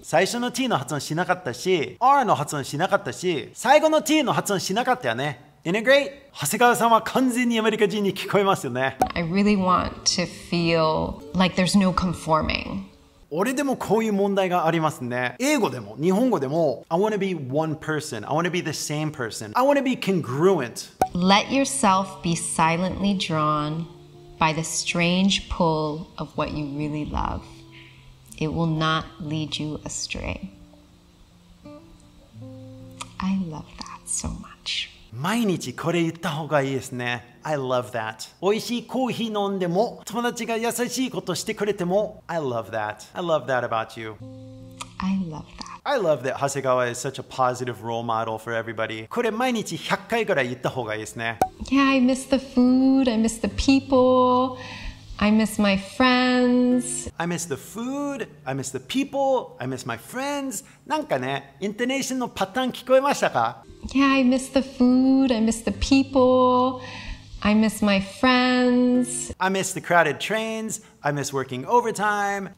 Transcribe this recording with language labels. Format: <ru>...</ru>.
<ja>最初の T の発音しなかったし R の発音しなかったし最後の T の発音しなかったよね integrate 長谷川さんは完全にアメリカ人に聞こえますよね</ja> <en>I really want to feel like there's no conforming.</en> <ja>俺でもこういう問題がありますね。英語でも、日本語でも、</ja> <en>I want to be one person. I want to be the same person. I want to be congruent. Let yourself be silently drawn by the strange pull of what you really love. It will not lead you astray. I love that so much.</en> <ja>毎日これ言った方がいいですね。</ja> <en>I love that.</en> <ja>美味しいコーヒー飲んでも、友達が優しいことしてくれても、</ja> <en>I love that. I love that about you. I love that. I love that Hasegawa is such a positive role model for everybody.</en> <ja>これ毎日100回ぐらい言った方がいいですね。</ja> <en>Yeah, I miss the food, I miss the people, I miss my friends. I miss the food, I miss the people, I miss my friends.</en> <ja>なんかね、イントネーションのパターン聞こえましたか？</ja> <en>Yeah, I miss the food, I miss the people, I miss my friends. I miss the crowded trains, I miss working overtime.</en>